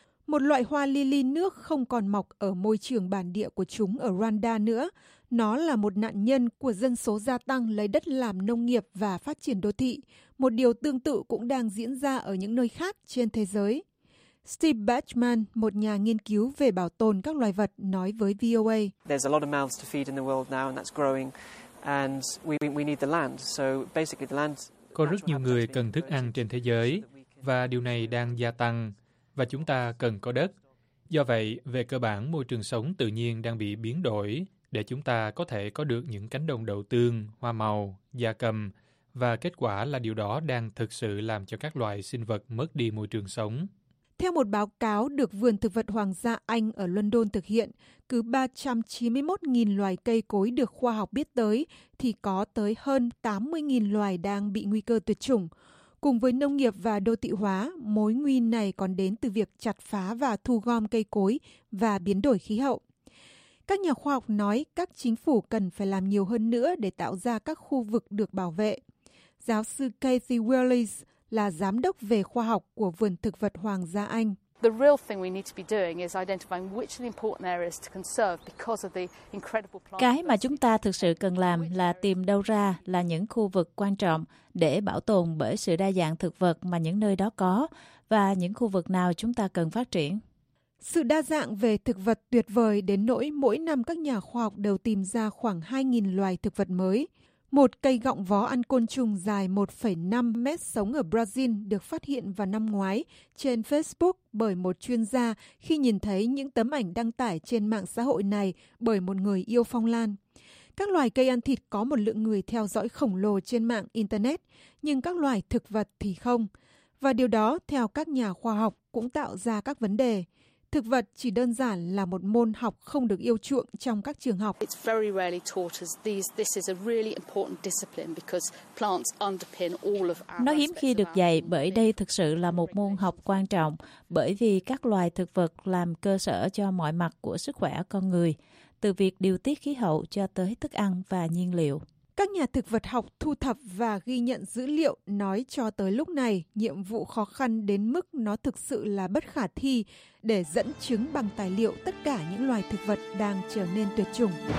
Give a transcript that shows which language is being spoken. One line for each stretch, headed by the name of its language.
Vietnamese: Một loại hoa lily nước không còn mọc ở môi trường bản địa của chúng ở Rwanda nữa. Nó là một nạn nhân của dân số gia tăng lấy đất làm nông nghiệp và phát triển đô thị. Một điều tương tự cũng đang diễn ra ở những nơi khác trên thế giới. Steve Batchman, một nhà nghiên cứu về bảo tồn các loài vật, nói với VOA.
English: There's a lot of mouths to feed in the world now, and that's growing. And we need the land. So basically, the land.
Vietnamese: Có rất nhiều người cần thức ăn trên thế giới, và điều này đang gia tăng. Và chúng ta cần có đất. Do vậy, về cơ bản, môi trường sống tự nhiên đang bị biến đổi để chúng ta có thể có được những cánh đồng đậu tương, hoa màu, gia cầm. Và kết quả là điều đó đang thực sự làm cho các loài sinh vật mất đi môi trường sống. Theo một báo cáo được Vườn Thực vật Hoàng gia Anh ở London thực hiện, cứ 391.000 loài cây cối được khoa học biết tới thì có tới hơn 80.000 loài đang bị nguy cơ tuyệt chủng. Cùng với nông nghiệp và đô thị hóa, mối nguy này còn đến từ việc chặt phá và thu gom cây cối và biến đổi khí hậu. Các nhà khoa học nói các chính phủ cần phải làm nhiều hơn nữa để tạo ra các khu vực được bảo vệ. Giáo sư Kathy Willis là giám đốc về khoa học của Vườn Thực vật Hoàng gia Anh.
English: The real thing we need to be doing is identifying which are the important areas to conserve because of the incredible plant.
Vietnamese: Cái mà chúng ta thực sự cần làm là tìm đâu ra là những khu vực quan trọng để bảo tồn bởi sự đa dạng thực vật mà những nơi đó có và những khu vực nào chúng ta cần phát triển. Sự đa dạng về thực vật tuyệt vời đến nỗi mỗi năm các nhà khoa học đều tìm ra khoảng 2.000 loài thực vật mới. Một cây gọng vó ăn côn trùng dài 1,5 mét sống ở Brazil được phát hiện vào năm ngoái trên Facebook bởi một chuyên gia khi nhìn thấy những tấm ảnh đăng tải trên mạng xã hội này bởi một người yêu phong lan. Các loài cây ăn thịt có một lượng người theo dõi khổng lồ trên mạng Internet, nhưng các loài thực vật thì không. Và điều đó, theo các nhà khoa học, cũng tạo ra các vấn đề. Thực vật chỉ đơn giản là một môn học không được yêu chuộng trong các trường học.
English: It's very rarely taught as this is a really important discipline because plants underpin all of our.
Vietnamese: Nó hiếm khi được dạy bởi đây thực sự là một môn học quan trọng bởi vì các loài thực vật làm cơ sở cho mọi mặt của sức khỏe con người, từ việc điều tiết khí hậu cho tới thức ăn và nhiên liệu. Các nhà thực vật học thu thập và ghi nhận dữ liệu nói cho tới lúc này nhiệm vụ khó khăn đến mức nó thực sự là bất khả thi để dẫn chứng bằng tài liệu tất cả những loài thực vật đang trở nên tuyệt chủng.